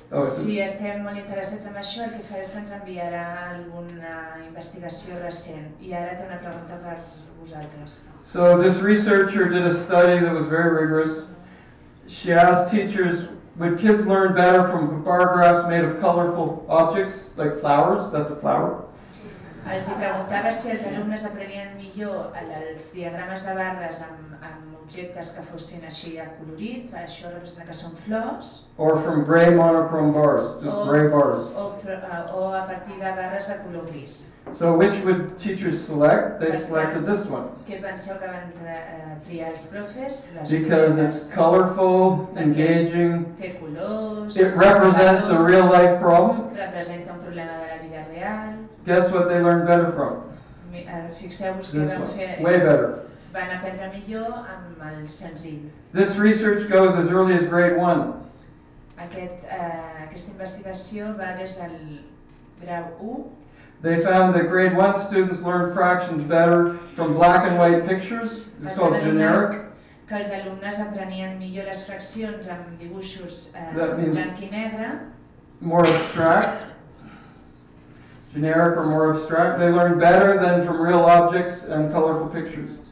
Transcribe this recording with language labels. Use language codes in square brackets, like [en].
[ca] Si estem molt interessats en això, el que farà és que ens enviarà alguna investigació recent. I ara té una pregunta per vosaltres. [en] So this researcher did a study that was very rigorous. She asked teachers, would kids learn better from bar graphs made of colorful objects like flowers? That's a flower. [ca] Els preguntava si els alumnes aprenien millor els diagrames de barres amb objectes que fossin així acolorits, això representa que són flors. [en] Or from gray monochrome bars, just gray bars. [ca] O a partir de barres de color gris. [en] So which would teachers select? They selected this one. [ca] Què penseu que van triar els profes? [en] Because it's colorful, engaging. [ca] Té colors. [en] It represents a real life problem. [ca] Representa un problema de la vida real. [en] Guess what they learned better from? [ca] Fixeu-vos què van fer. [en] Way better. [ca] van aprendre millor amb el senzill. [en] This research goes as early as grade 1. [ca] Aquesta investigació va des del grau 1. [en] They found that grade 1 students learned fractions better from black and white pictures. It's called generic. [ca] Que els alumnes aprenien millor les fraccions amb dibuixos blanc i negre. [en] More abstract. Generic or more abstract. They learned better than from real objects and colorful pictures.